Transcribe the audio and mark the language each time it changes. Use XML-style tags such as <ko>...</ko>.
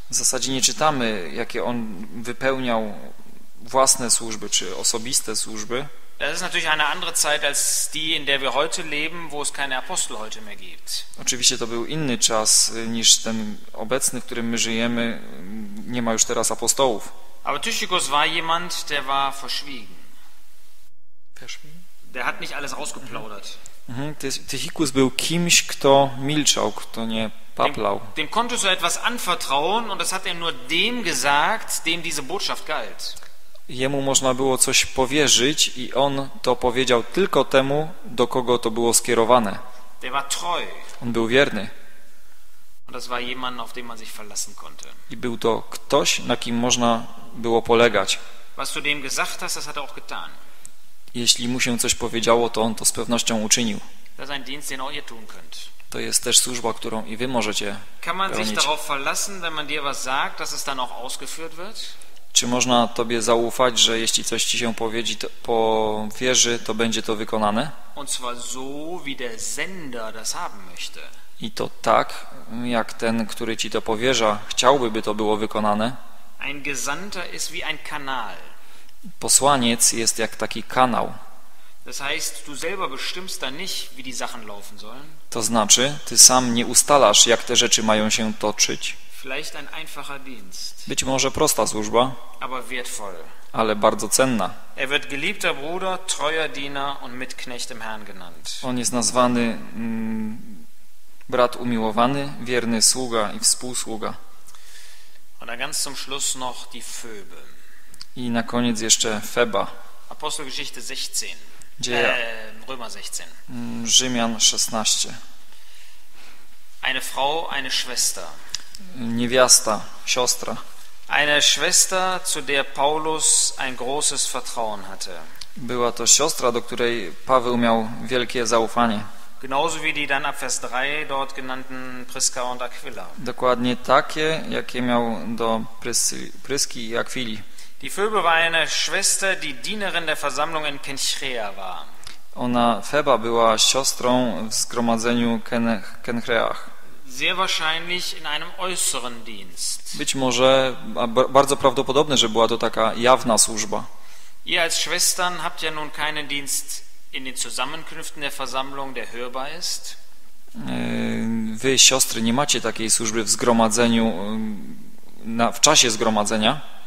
<pl>W zasadzie nie czytamy, jakie on wypełniał własne służby czy osobiste służby.</pl> <de>Das ist natürlich eine andere Zeit als die, in der wir heute leben, wo es keine Apostel heute mehr gibt.</de> <pl>Oczywiście to był inny czas niż ten obecny, w którym my żyjemy. Nie ma już teraz apostołów.</pl> <de>Aber Tychikus war jemand, der war verschwiegen. Verschwiegen? Der hat nicht alles ausgeplaudert.</de> <pl>Tychikus był kimś, kto milczał, kto nie paplał.</pl> <de>Dem konntest du etwas anvertrauen und das hat nur dem gesagt, dem diese Botschaft galt.</de> <pl>Jemu można było coś powierzyć i on to powiedział tylko temu, do kogo to było skierowane.</pl> <de>Der war treu.</de> <pl>On był wierny.</pl> <de>Und das war jemand, auf den man sich verlassen konnte.</de> <pl>I był to ktoś, na kim można było polegać.</pl> <de>Was du dem gesagt hast, das hat auch getan.</de> <pl>Jeśli mu się coś powiedziało, to on to z pewnością uczynił.</pl> <de>Das ist ein Dienst, den auch ihr tun könnt.</de> <pl>To jest też służba, którą i wy możecie pełnić.</pl> <de>Kann man sich darauf verlassen, wenn man dir was sagt, dass es dann auch ausgeführt wird?</de> <pl>Czy można tobie zaufać, że jeśli coś ci się powiedzi, to powierzy, to będzie to wykonane?</pl> <de>Und zwar so, wie der Sender das haben möchte.</de> <pl>I to tak, jak ten, który ci to powierza, chciałby, by to było wykonane.</pl> <de>Ein Gesandter ist wie ein Kanal.</de> <pl>Posłaniec jest jak taki kanał.</pl> <de>Das heißt, du selber bestimmst da nicht, wie die Sachen laufen sollen.</de> <pl>To znaczy, ty sam nie ustalasz, jak te rzeczy mają się toczyć.</pl> <de>Vielleicht ein einfacher Dienst.</de> <pl>Być może prosta służba,</pl> <de>aber wertvoll.</de> <pl>Ale bardzo cenna.</pl> <de>Er wird geliebter Bruder, treuer Diener und Mitknecht im Herrn genannt.</de> <pl>On jest nazwany brat umiłowany, wierny sługa i współsługa.</pl> <de>Und dann ganz zum Schluss noch die Phoebe.</de> <pl>I na koniec jeszcze Feba.</pl> <de>Apostelgeschichte 16. Römer 16.</de> <pl>Rzymian 16.</pl> <de>Eine Frau, eine Schwester.</de> <pl>Niewiasta, siostra.</pl> <de>Eine Schwester, zu der Paulus ein großes Vertrauen hatte.</de> <pl>Była to siostra, do której Paweł miał wielkie zaufanie.</pl> <de>Genauso wie die dann ab Vers 3 dort genannten Priska und Aquila.</de> <pl>Dokładnie takie, jakie miał do Pryski i Aquili.</pl> <de>Die Phoebe war eine Schwester, die Dienerin der Versammlung in Kenchrea war.</de> <pl>Ona, Feba, była siostrą w zgromadzeniu Kenchreach.</pl> <de>Sehr wahrscheinlich in einem äußeren Dienst.</de> <pl>Być może, bardzo prawdopodobne, że była to taka jawna służba.</pl> <de>Ihr als Schwestern habt ja nun keinen Dienst in den Zusammenkünften der Versammlung, der hörbar ist.</de> <pl>Wy, siostry, nie macie takiej służby w zgromadzeniu, w czasie zgromadzenia.</pl>